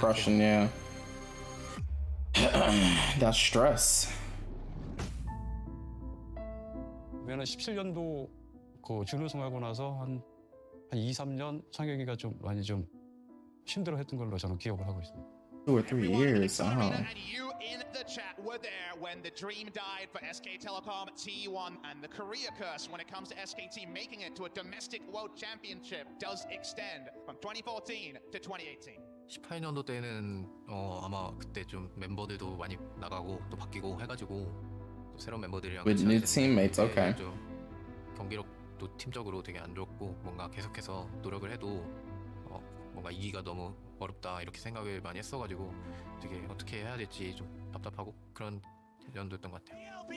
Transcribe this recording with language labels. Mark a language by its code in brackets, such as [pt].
[en] Crushing, yeah. That stress. [ko] 왜냐면 17년도 그 준우승하고 나서 한 2, 3년 상혁이가 좀 많이 좀 힘들어했던 걸로 저는 기억을 하고 있습니다. [en] Two or three years. Oh. And you in the chat were there when the dream died for SK Telecom T1 and the Korea curse when it comes to SKT making it to a domestic world championship does extend from 2014 to 2018. [ko] 18년도 때는 아마 그때 좀 멤버들도 많이 나가고 또 바뀌고 해가지고 또 새로운 멤버들이랑 [en] With new teammates, okay. [ko] 좀 경기력도 팀적으로 되게 안 좋았고 뭔가 계속해서 노력을 해도 뭔가 이기가 너무 어렵다 이렇게 생각을 많이 했어가지고 되게 어떻게 해야 될지 좀 답답하고 그런 연도였던 것 같아요.